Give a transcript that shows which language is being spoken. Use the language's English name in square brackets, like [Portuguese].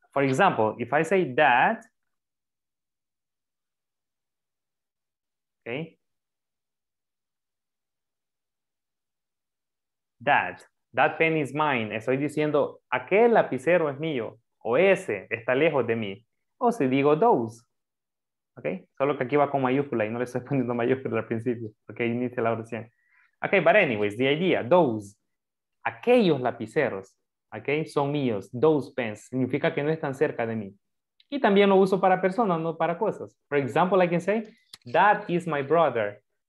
[English] For example, if I say that, okay, that pen is mine. [Spanish] Estoy diciendo, aquel lapicero es mío, o ese está lejos de mí. O si digo those, okay, solo que aquí va con mayúscula y no le estoy poniendo mayúscula al principio, okay, inicia la oración. [English] Okay, but anyways, the idea, those, [Spanish] aquellos lapiceros. Okay, son míos, [English] those pens, [Spanish] significa que no están cerca de mí. Y también lo uso para personas, no para cosas. [English] For example, I can say, that is my brother.